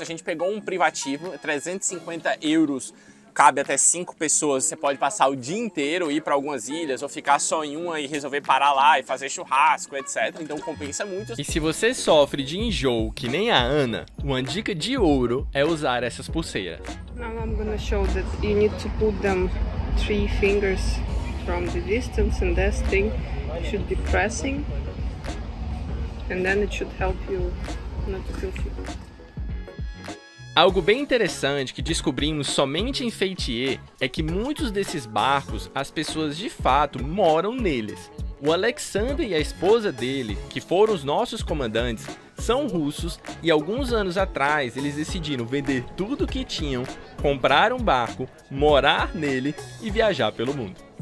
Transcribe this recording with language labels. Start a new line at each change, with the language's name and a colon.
Portuguese: A gente pegou um privativo, 350 euros, cabe até 5 pessoas. Você pode passar o dia inteiro, ir para algumas ilhas, ou ficar só em uma e resolver parar lá e fazer churrasco, etc. Então compensa muito. E se você sofre de enjoo que nem a Ana, uma dica de ouro é usar essas pulseiras.
English: Now I'm gonna show that you need to put them 3 fingers. From the distance, and this thing should be pressing, and then it should help you not to feel sick.
Portuguese: Algo bem interessante que descobrimos somente em Fethiye é que muitos desses barcos, as pessoas de fato moram neles. O Alexander e a esposa dele, que foram os nossos comandantes, são russos e alguns anos atrás eles decidiram vender tudo o que tinham, comprar um barco, morar nele e viajar pelo mundo.